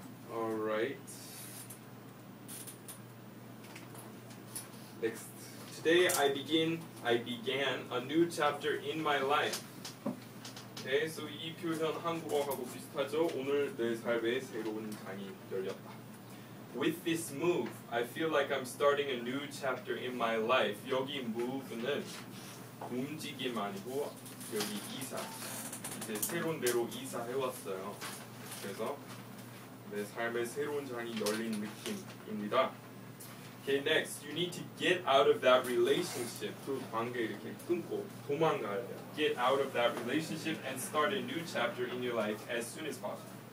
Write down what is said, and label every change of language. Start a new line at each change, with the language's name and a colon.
English: Alright. Next. Today I began a new chapter in my life.
Korean: Okay, so 이 표현 한국어하고 비슷하죠? 오늘 내 삶에 새로운 장이 열렸다.
English: With this move, I feel like I'm starting a new chapter in my life.
Korean: 여기 move는 움직임 아니고 여기 이사. 이제 새로운 데로 이사해왔어요. 그래서 내 삶에 새로운 장이 열린 느낌입니다.
English: Okay, next, you need to get out of that relationship.
Korean: 그 관계 이렇게 끊고 도망가야 돼요.
English: Get out of that relationship and start a new chapter in your life as soon as possible.